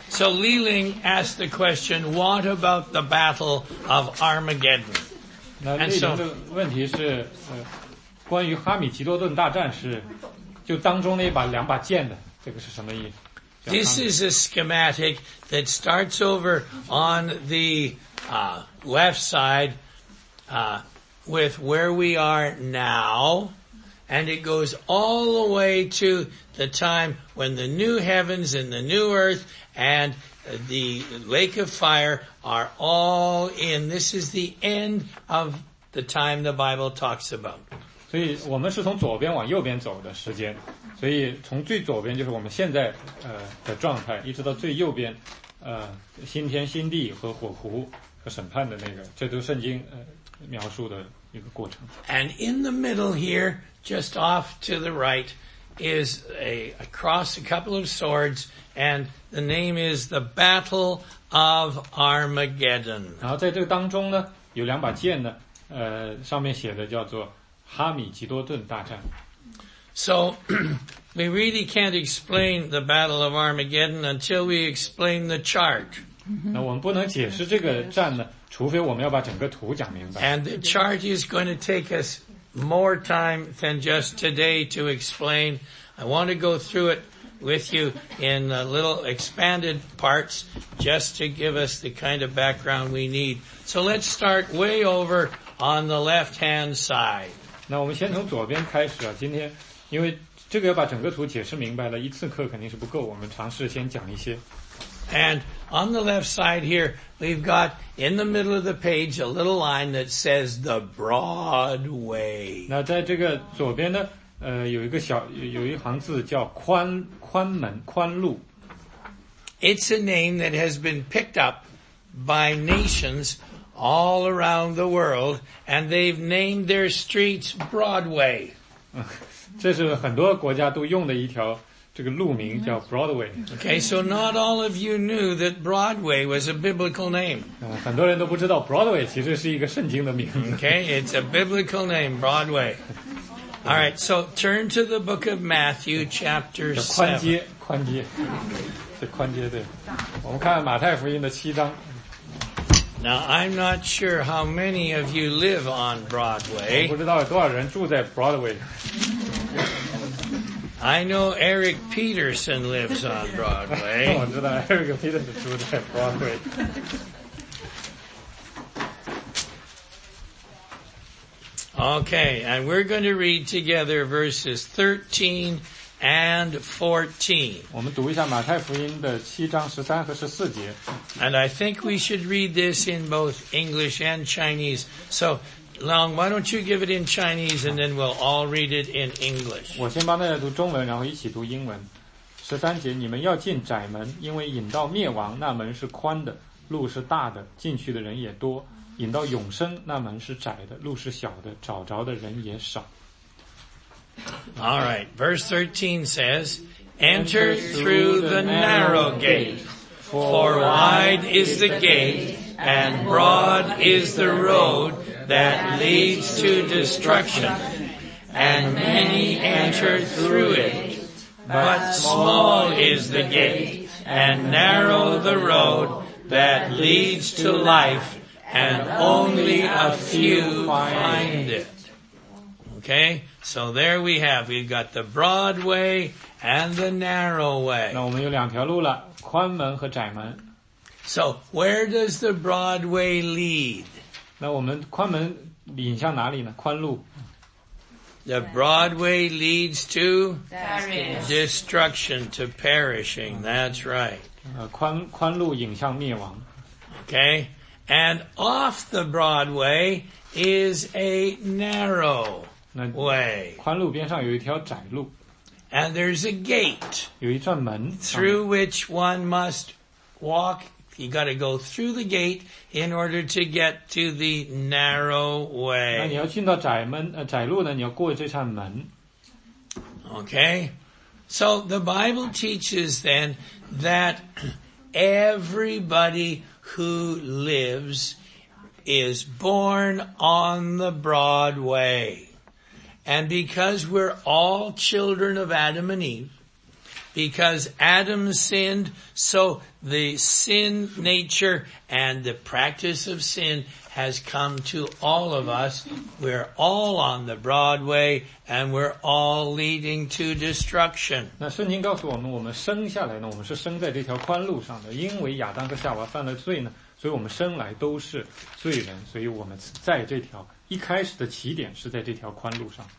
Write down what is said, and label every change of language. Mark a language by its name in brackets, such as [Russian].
[English] So Li Ling asked the question, what about the battle of Armageddon? [Chinese] 那这个问题是关于哈米吉多顿大战是就当中那把两把剑的这个是什么意思? [English] This is a schematic that starts over on the left side with where we are now. And it goes all the way to the time when the new heavens and the new earth and the lake of fire are all in. This is the end of the time the Bible talks about. [Chinese] 所以我们是从左边往右边走的时间。所以从最左边就是我们现在的状态，一直到最右边新天新地和火湖和审判的那个，这都圣经描述的一个过程。 [English] And in the middle here, just off to the right, is a cross, a couple of swords, and the name is the Battle of Armageddon. [Chinese] 然后在这个当中呢，有两把剑呢，上面写的叫做哈米吉多顿大战。 [English] So, we really can't explain the Battle of Armageddon until we explain the chart. [Chinese] 那我们不能解释这个战呢，除非我们要把整个图讲明白。 [English] And the chart is going to take us more time than just today to explain. I want to go through it with you in little expanded parts just to give us the kind of background we need. So let's start way over on the left-hand side. [Chinese] 那我们先从左边开始啊，今天。因为这个要把整个图解释明白了，一次课肯定是不够，我们尝试先讲一些。 [English] And on the left side here, we've got in the middle of the page a little line that says the broad way. [Chinese] 那在这个左边呢，有一个小，有一行字叫宽，宽门，宽路。 [English] It's a name that has been picked up by nations all around the world, and they've named their streets Broadway. [Chinese] 这是很多国家都用的一条这个路名叫 Broadway. [English] Okay, so not all of you knew that Broadway was a biblical name. [Chinese] 很多人都不知道 Broadway 其实是一个圣经的名字。 [English] Okay, it's a biblical name, Broadway. All right, so turn to the book of Matthew chapter 7. [Chinese] 宽街，宽街，是宽街对。我们看看马太福音的七章。 [English] Now, I'm not sure how many of you live on Broadway. [Chinese] 我不知道多少人住在 Broadway。 [English] I know Eric Peterson lives on Broadway. [Chinese] 我知道 Eric Peterson 住在 Broadway. [English] Okay, and we're going to read together verses 13 and 14. [Chinese] 我们读一下马太福音的七章十三和十四节。 [English] And I think we should read this in both English and Chinese. So, Long, why don't you give it in Chinese and then we'll all read it in English. [Chinese] 我先帮大家读中文，然后一起读英文。十三节，你们要进窄门，因为引到灭亡，那门是宽的，路是大的，进去的人也多；引到永生，那门是窄的，路是小的，找着的人也少。 [English] All right, verse 13 says, Enter through the narrow gate, for wide is the gate, and broad is the road that leads to destruction, and many enter through it. But small is the gate, and narrow the road that leads to life, and only a few find it. Okay? So there we have, we've got the broad way and the narrow way. [Chinese] 那我们有两条路了，宽门和窄门。 [English] So where does the broad way lead? [Chinese] 那我们宽门引向哪里呢？宽路。 [English] The broad way leads to? Paris. Destruction, to perishing, that's right. [Chinese] 宽路引向灭亡。 [English] Okay, and off the broad way is a narrow way. Way. [Chinese] 宽路边上有一条窄路。 [English] And there's a gate. [Chinese] 有一扇门。 [English] Through which one must walk. You gotta go through the gate in order to get to the narrow way. [Chinese] 那你要进到窄门，窄路呢，你要过这扇门。 [English] Okay. So the Bible teaches then that everybody who lives is born on the broad way. And because we're all children of Adam and Eve, because Adam sinned, so the sin nature and the practice of sin has come to all of us. We're all on the broad way and we're all leading to destruction. [Chinese] 那圣经告诉我们，我们生下来呢，我们是生在这条宽路上的，因为亚当和夏娃犯了罪呢，所以我们生来都是罪人，所以我们在这条一开始的起点是在这条宽路上。